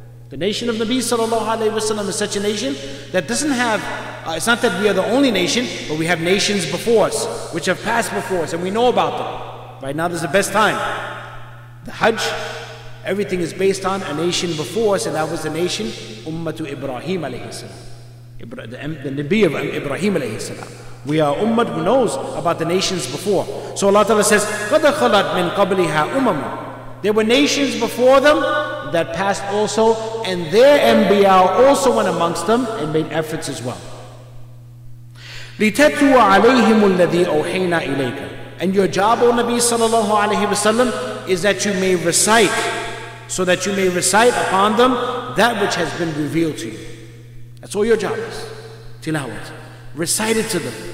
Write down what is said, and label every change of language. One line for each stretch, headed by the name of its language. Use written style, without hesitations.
English: The nation of Nabi sallallahu alayhi wa sallam is such a nation that doesn't have, it's not that we are the only nation, but we have nations before us, which have passed before us, and we know about them. Right now this is the best time. The Hajj, everything is based on a nation before us, and that was the nation, Ummatu Ibrahim alayhi salam. The Nabi of Ibrahim alayhi salam. We are Ummat who knows about the nations before. So Allah Ta'ala says,
Arabic: قَدَ خَلَتْ مِنْ قَبْلِهَا أُمَمُ.
English: There were nations before them that passed also, and their Anbiya also went amongst them and made efforts as well.
Arabic: لِتَتْوَ عَلَيْهِمُ الَّذِي أَوْحَيْنَا إِلَيْكَ.
English: And your job, O Nabi sallallahu alayhi wa sallam, is that you may recite, so that you may recite upon them that which has been revealed to you. That's all your job is. Tilawat. Recite it to them.